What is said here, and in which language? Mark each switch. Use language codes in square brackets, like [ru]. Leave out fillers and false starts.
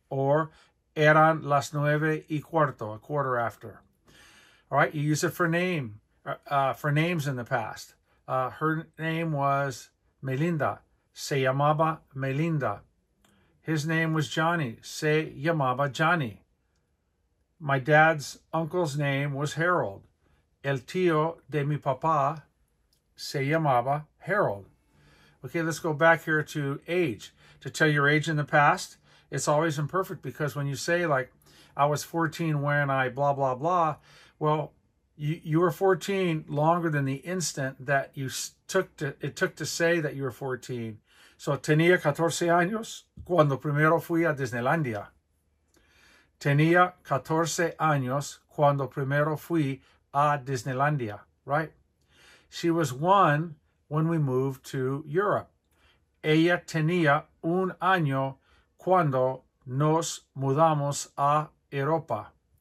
[es] Or eran las nueve y cuarto, [en] a quarter after. All right, you use it for names in the past. Her name was Melinda. [es] Se llamaba Melinda. [en] His name was Johnny. [es] Se llamaba Johnny. [en] My dad's uncle's name was Harold. [es] El tío de mi papá se llamaba Harold. [en] Okay, let's go back here to age. To tell your age in the past, it's always imperfect because when you say, like, I was 14 when I blah, blah, blah, well, You were 14 longer than the instant that you took to it took to say that you were 14. [es] So tenía 14 años cuando primero fui a Disneylandia. Tenía 14 años cuando primero fui a Disneylandia, right? [en] She was one when we moved to Europe. [es] Ella tenía un año cuando nos mudamos a Europa.